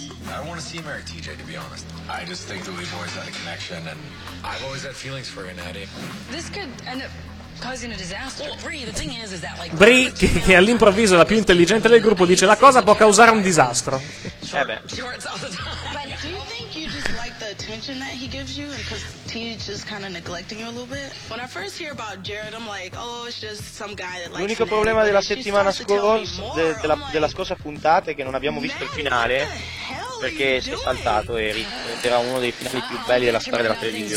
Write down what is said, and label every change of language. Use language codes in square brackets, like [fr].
[en] I don't want to see you marry TJ, to be honest. I just think that we've always had a connection, and I've always had feelings for you, Natty. This could end up causing a disaster. Well, Bree, the thing is that like [it] Bree, che all'improvviso è la più intelligente del gruppo, dice la cosa può causare un disastro. Eh beh. [en] But do you think you just like the attention that he gives you, because TJ is kind of neglecting you a little bit? When I first hear about Jared, I'm like, oh, it's just some guy that likes. [it] L'unico problema della settimana scorsa, della scorsa puntata, è che non abbiamo visto il finale. Perché sei saltato, Eri. Era uno dei finali più belli della storia della televisione.